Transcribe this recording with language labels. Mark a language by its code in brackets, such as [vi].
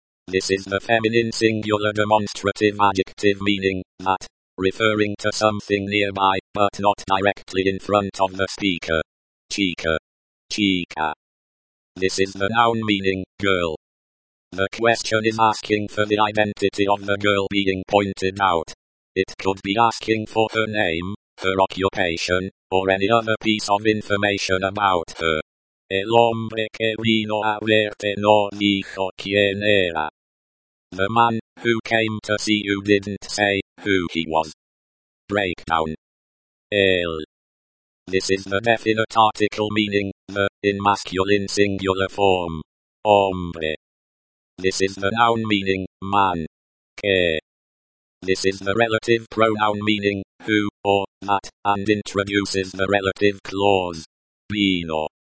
[en] This is the feminine singular demonstrative adjective meaning, that, referring to something nearby, but not directly in front of the speaker. Chica. Chica. This is the noun meaning, girl. The question is asking for the identity of the girl being pointed out. It could be asking for her name, her occupation, or any other piece of information about her. [es] El hombre que vino a verte no dijo quién era. [en] The man who came to see you didn't say who he was. Breakdown. El. This is the definite article meaning the, in masculine singular form. Hombre. This is the noun meaning man. Que. This is the relative pronoun meaning who or that, and introduces the relative clause vino.